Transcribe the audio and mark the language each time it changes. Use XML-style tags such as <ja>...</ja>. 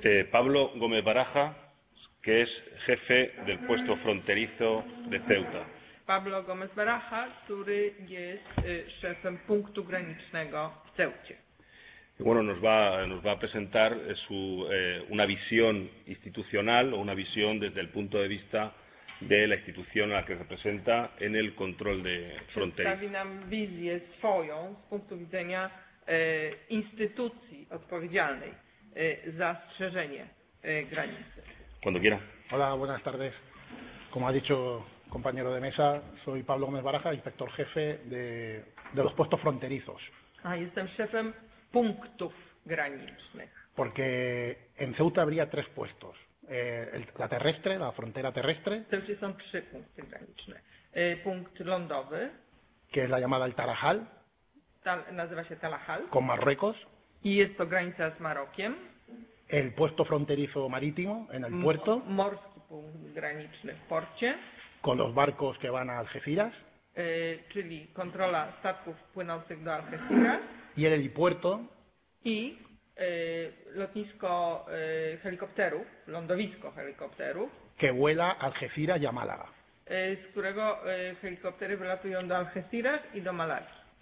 <es>Pablo Gómez Baraja, que es jefe del puesto fronterizo de Ceuta.</es> <pl>Pablo Gómez Baraja, który jest szefem punktu granicznego w Ceucie.</pl> <es>Bueno, nos va a presentar su una visión institucional o una visión desde el punto de vista de la institución a la que representa en el control de fronteras.</es> <pl>Przedstawi nam wizję swoją z punktu widzenia instytucji odpowiedzialnej za strzeżenie granicy.</pl> <es>Cuando quiera. Hola, buenas tardes. Como ha dicho compañero de mesa, soy Pablo Gómez Baraja, inspector jefe de los puestos fronterizos.</es> <pl>Ah, jestem szefem punktów granicznych.</pl> <es>Porque en Ceuta habría tres puestos. La terrestre, la frontera terrestre.</es> <pl>W Ceucie są trzy punkty graniczne. Punkt lądowy.</pl> <es>Que es la llamada el Tarajal.</es> <pl>Nazywa się Tarajal.</pl> <es>Con Marruecos.</es> <pl>I jest to granica z Marokiem.</pl> <es>El puesto fronterizo marítimo en el puerto.</es> <pl>Morski punkt graniczny w porcie.</pl> <es>Con los barcos que van a Algeciras.</es> <pl>Czyli kontrola statków płynących do Algeciras.</pl> <es>Y el helipuerto.</es> <pl>I lotnisko helikopterów, lądowisko helikopterów.</pl> <es>Que vuela Algeciras y a Málaga.</es> <pl>Z którego helikoptery wylatują do Algeciras i do Malagi.</pl>